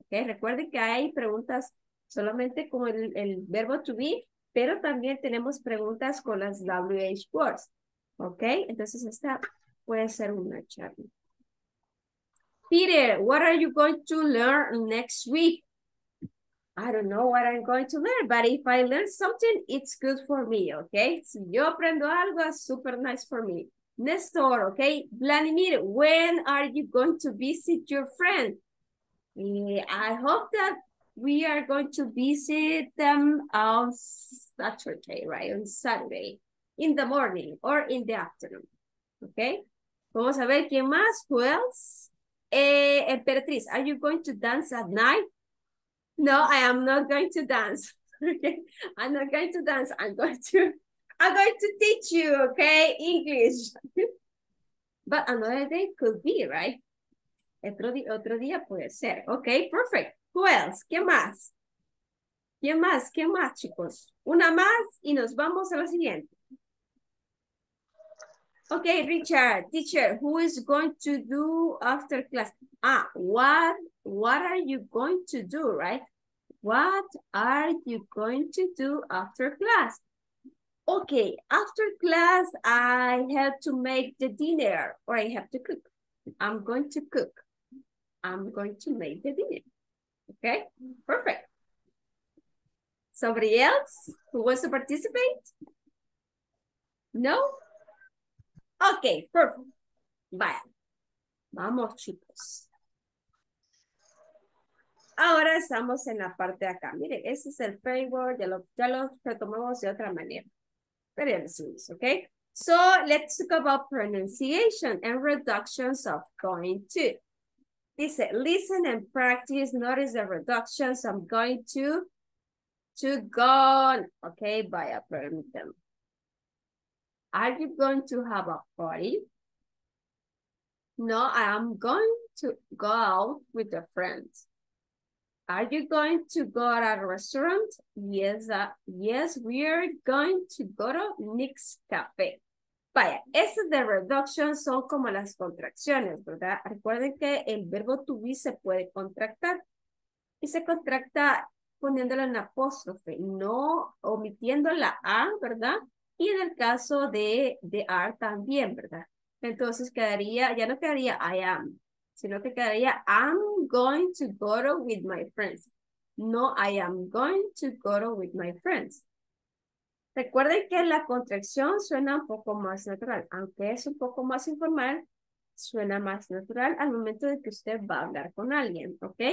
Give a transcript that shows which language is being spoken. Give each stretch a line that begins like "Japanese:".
Spanish: Okay, recuerden que hay preguntas solamente con el verbo to be, pero también tenemos preguntas con las WH words. Okay, entonces esta puede ser una charla.
English: Peter, what are you going to learn next week? I don't know what I'm going to learn, but if I learn something, it's good for me, okay?
Spanish: Si yo aprendo algo, es
English: super nice for me.
Spanish: Nestor, okay?
English: Vladimir, when are you going to visit your friend? I hope that we are going to visit them on Saturday, right? On Saturday, in the morning or in the afternoon, okay?
Spanish: Vamos a ver quién más,
English: who else? Emperatriz, are you going to dance at night? No, I am not going to dance. Okay. I'm not going to dance. I'm going to teach you, okay, English. But another day could be, right?
Spanish: Otro día puede ser.
English: Okay, perfect. Who else?
Spanish: ¿Qué más? ¿Qué más? ¿Qué más, chicos? Una más y nos vamos a la siguiente.
English: Okay, Richard, teacher, who is going to do after class? What are you going to do, right? What are you going to do after class? Okay, after class, I have to make the dinner, or I have to cook. I'm going to cook. I'm going to make the dinner. Okay, perfect. Somebody else who wants to participate? No? Okay, perfect. Bye.
Spanish: Vamos, chicos. Ahora estamos en la parte de acá. Mire, ese es el framework, ya lo retomamos de otra manera. Pero ya decimos, ¿ok?
English: So, let's talk about pronunciation and reductions of going to. Dice, listen and practice, notice the reductions of going to gone. ¿Ok? By a permitem. Are you going to have a party? No, I am going to go out with a friend. Are you going to go to a restaurant? Yes, we are going to go to Nick's Cafe.
Spanish: Vaya, esas de reduction son como las contracciones, ¿verdad? Recuerden que el verbo to be se puede contractar y se contracta poniéndolo en apóstrofe, no omitiendo la A, ¿verdad? Y en el caso de are también, ¿verdad? Entonces quedaría, ya no quedaría I am, sino que quedaría,
English: I'm going to go to with my friends. No, I am going to go to with my friends.
Spanish: Recuerden que la contracción suena un poco más natural. Aunque es un poco más informal, suena más natural al momento de que usted va a hablar con alguien, ¿ok?